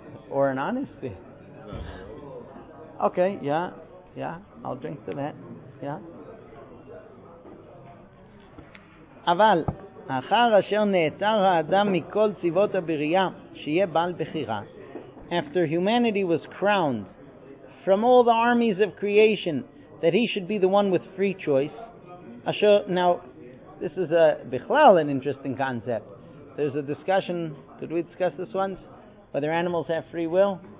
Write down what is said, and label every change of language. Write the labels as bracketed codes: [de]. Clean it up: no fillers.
[en] Or an honesty. Okay, yeah, I'll drink to that. Yeah. [he] אבל אחר אשר נאתר האדם מכל צבאות הבריאה שיהיה בעל בחירה. [en] After humanity was crowned from all the armies of creation that he should be the one with free choice. Now, this is a bichlal, an interesting concept. There's a discussion. Did we discuss this once? Whether animals have free will?